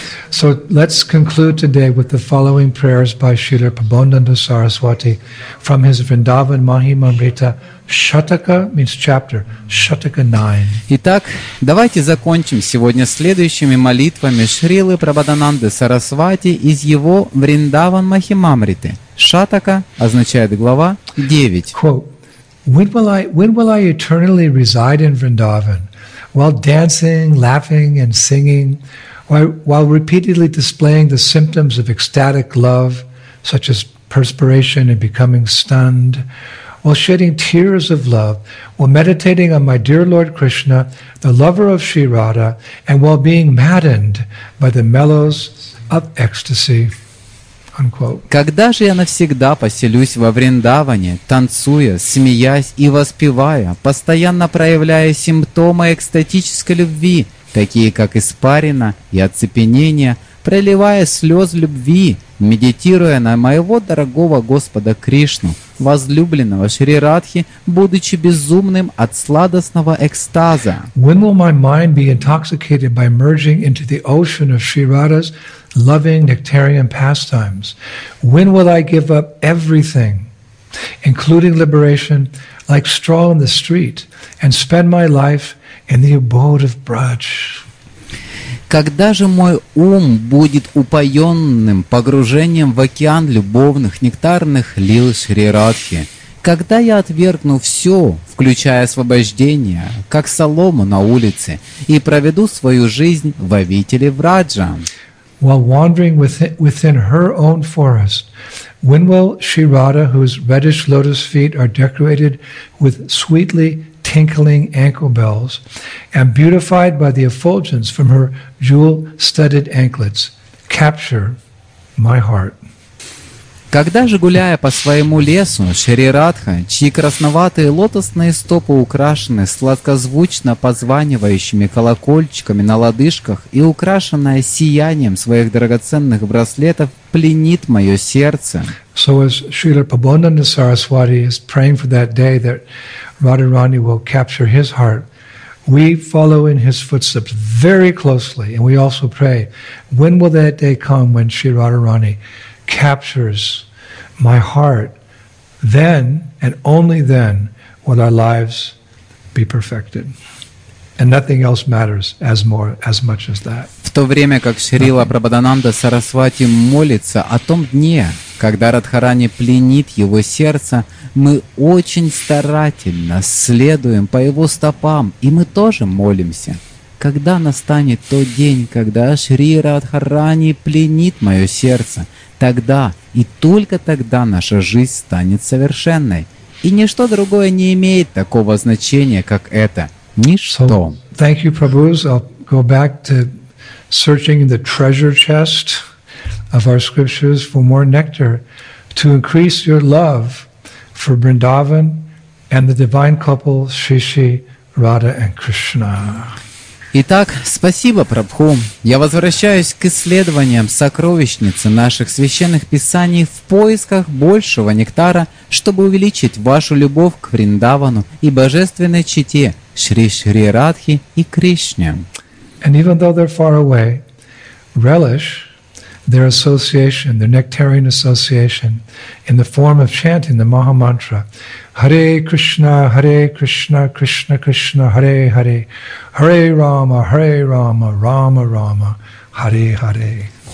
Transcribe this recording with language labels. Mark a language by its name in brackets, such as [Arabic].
[English] So let's conclude today with the following prayers by Srila Prabodhananda Saraswati from his Vrindavan Mahimamrita Shataka, means chapter, Shataka 9. [Russian] Итак, давайте закончим сегодня следующими молитвами Шрилы Прабхадананды Сарасвати из его Вриндаван Махимамриты. Шатака означает глава 9. [English] Quote, when will I eternally reside in Vrindavan while dancing, laughing and singing? While repeatedly displaying the symptoms of ecstatic love, such as perspiration and becoming stunned, while shedding tears of love, while meditating on my dear Lord Krishna, the lover of Sri Radha, and while being maddened by the mellows of ecstasy. Unquote. [Russian] Когда же я навсегда поселюсь во Вриндаване, танцуя, смеясь и воспевая, постоянно проявляя симптомы экстатической любви, такие как испарина и оцепенение, проливая слез любви, медитируя на моего дорогого Господа Кришну, возлюбленного Шри Радхи, будучи безумным от сладостного экстаза. [English] When will my mind be intoxicated by merging into the ocean of Sri Radha's loving nectarian pastimes? When will I give up everything, including liberation, like straw in the street, and spend my life in the abode of Braj? [Russian] Когда же мой ум будет упоенным погружением в океан любовных нектарных лил Шри Радхи? Когда я отвергну все, включая освобождение, как солому на улице, и проведу свою жизнь в обители Враджа? [English] While wandering within her own forest, when will Sri Radha, whose reddish lotus feet are decorated with sweetly tinkling ankle bells and beautified by the effulgence from her jewel-studded anklets, capture my heart. [Russian] Когда же, гуляя по своему лесу, Шри Радха, чьи красноватые лотосные стопы украшены сладкозвучно позванивающими колокольчиками на лодыжках и украшенная сиянием своих драгоценных браслетов, пленит мое сердце. [English] So as Srila Prabhupada Saraswati is praying for that day that Radharani will capture his heart, we follow in his footsteps very closely, and we also pray, when will that day come when Sri Radharani captures my heart, then and only then will our lives be perfected. And nothing else matters as much as that. [Russian] В то время как Шрила Прабхадананда Сарасвати молится о том дне, когда Радхарани пленит его сердце, мы очень старательно следуем по его стопам, и мы тоже молимся. Когда настанет тот день, когда Шри Радхарани пленит мое сердце, тогда и только тогда наша жизнь станет совершенной. И ничто другое не имеет такого значения, как это. Ничто. [English] So, thank you, Prabhus. I'll go back to searching in the treasure chest of our scriptures for more nectar to increase your love for Vrindavan and the divine couple Shri Shri Radha and Krishna. [Russian] Итак, спасибо, Прабху. Я возвращаюсь к исследованиям сокровищницы наших священных писаний в поисках большего нектара, чтобы увеличить вашу любовь к Вриндавану и божественной чите Шри Шри Радхи и Кришне. [English] And even though they're far away, relish their association, their nectarian association, in the form of chanting the Maha Mantra, Hare Krishna, Hare Krishna, Krishna Krishna, Hare Hare, Hare Rama, Rama Rama, Hare Hare.